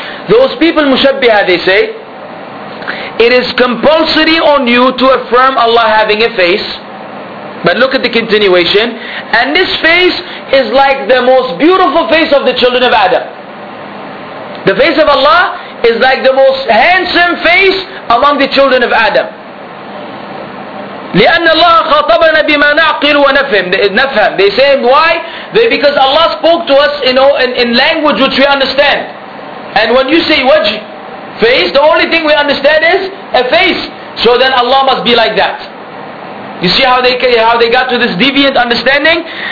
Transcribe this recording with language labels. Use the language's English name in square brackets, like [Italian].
[English] Those people مُشَبِّهَا, they say, it is compulsory on you to affirm Allah having a face. But look at the continuation. And this face is like the most beautiful face of the children of Adam. The face of Allah is like the most handsome face among the children of Adam. [Arabic] لأن الله خاطبنا بما نعقل ونفهم. [English] They say, why? Because Allah spoke to us, you know, in language which we understand. And when you say wajh, face, the only thing we understand is a face. So then Allah must be like that. You see how they got to this deviant understanding?